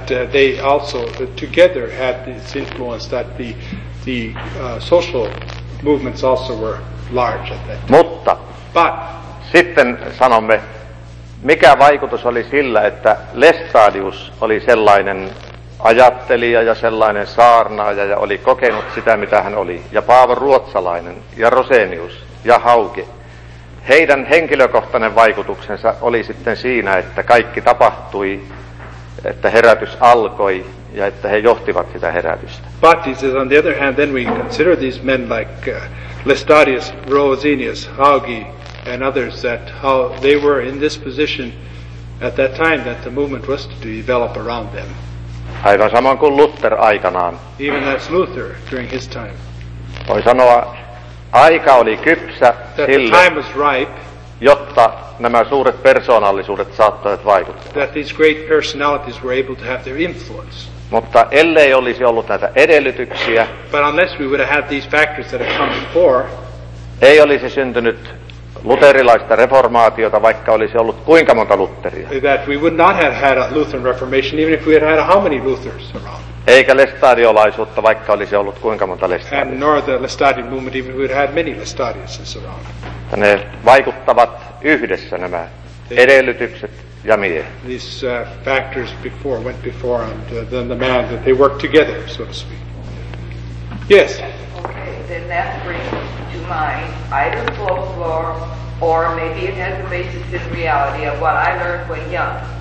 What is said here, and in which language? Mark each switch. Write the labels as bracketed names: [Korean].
[English] They also together had this influence that the social movements also were large at that time. [Finnish] Mutta sitten sanomme, mikä vaikutus oli sillä, että Lestadius oli sellainen ajattelija ja sellainen saarnaaja ja oli kokenut sitä, mitä hän oli. Ja Paavo Ruotsalainen ja Rosenius ja Hauke. Heidän henkilökohtainen vaikutuksensa oli sitten siinä, että kaikki tapahtui, että herätys alkoi ja että he johtivat sitä herätystä. [English] But he says, on the other hand, then we consider these men like Lestadius, Rosenius, Hauke and others, that how they were in this position at that time that the movement was to develop around them. [Finnish] Aivan samoin kuin Luther aikanaan. [English] Even as Luther during his time. [Finnish] Voi sanoa, aika oli kypsä sille, [English] the time was ripe, [Finnish] jotta nämä suuret persoonallisuudet saattoivat vaikuttaa. [English] That these great personalities were able to have their influence. [Finnish] Mutta ellei olisi ollut näitä edellytyksiä, [English] but unless we would have had these factors that have come before, [Finnish] ei olisi syntynyt luterilaista reformaatiota, vaikka olisi ollut kuinka monta Lutheria. [English] That we would not have had a Lutheran Reformation, even if we had had how many Luthers around. [Finnish] Eikä Lestadiolaisuutta, vaikka olisi ollut kuinka monta Lestadiolaisuutta. [English] And nor the Lestadian movement, even if we had had many Lestadiuses around. [Finnish] Ja ne vaikuttavat yhdessä nämä edellytykset ja mie. [English] These factors before went before and then the man that they worked together, so to speak. Yes. Then that brings to mind either folklore or maybe it has a basis in reality of what I learned when young.